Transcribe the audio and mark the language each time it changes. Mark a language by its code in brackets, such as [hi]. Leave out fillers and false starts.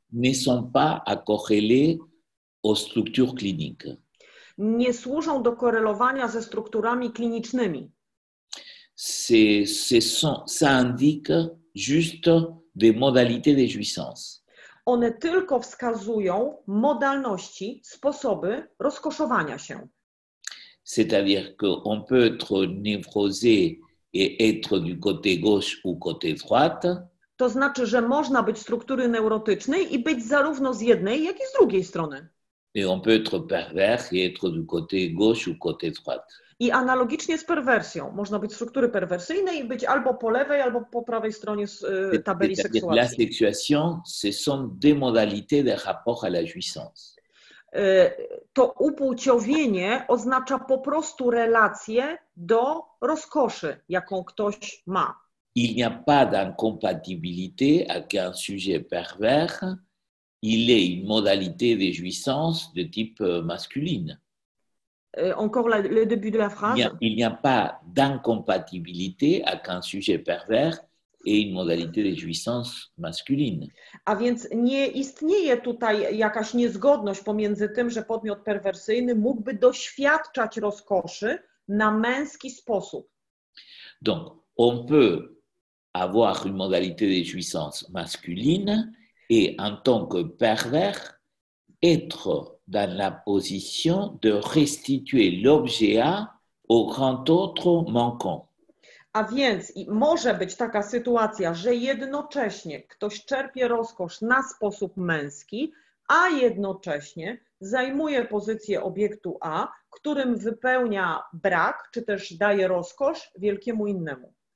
[fr] Ne sont pas à corréler aux structures cliniques. [pl] Nie służą do korelowania ze strukturami klinicznymi. [fr] Ça indique juste des modalités de jouissance. [pl] One tylko wskazują modalności, sposoby rozkoszowania się. [fr] C'est-à-dire qu'on peut être névrosé et être du côté gauche ou côté droite. [pl] To znaczy, że można być struktury neurotycznej i być zarówno z jednej, jak i z drugiej strony. [fr] Et on peut être pervers et être du côté gauche ou côté droite. [pl] I analogicznie z perwersją. Można być struktury perwersyjnej i być albo po lewej, albo po prawej stronie z tabeli seksuacji. [fr] La sexuation, ce sont des modalités de rapport à la jouissance. [pl] To upłciowienie oznacza po prostu relację do rozkoszy, jaką ktoś ma. [fr] Il n'y a pas d'incompatibilité à qu'un sujet pervers, il est une modalité de jouissance de type masculine. Encore le début de la phrase. Il n'y a pas d'incompatibilité à qu'un sujet pervers. Et une modalité de jouissance masculine. [pl] A więc nie istnieje tutaj jakaś niezgodność pomiędzy tym, że podmiot perwersyjny mógłby doświadczać rozkoszy na męski sposób. [fr] Donc, on peut avoir une modalité de jouissance masculine et en tant que pervers être dans la position de restituer l'objet A au grand autre manquant. [pl] A więc może być taka sytuacja, że jednocześnie ktoś czerpie rozkosz na sposób męski, a jednocześnie zajmuje pozycję obiektu A, którym wypełnia brak, czy też daje rozkosz wielkiemu innemu.